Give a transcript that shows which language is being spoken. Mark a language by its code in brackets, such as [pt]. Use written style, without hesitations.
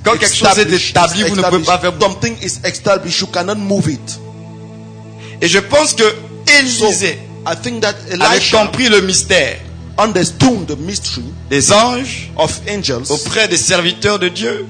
[fr] Quand quelque chose est établi, vous ne pouvez pas faire. [en] Something is established, you cannot move it. [fr] Et je pense que Élisée, [en] so, I think that Elijah [fr] avait compris le mystère. [en] Understood the mystery [fr] des anges [en] of angels [fr] auprès des serviteurs de Dieu,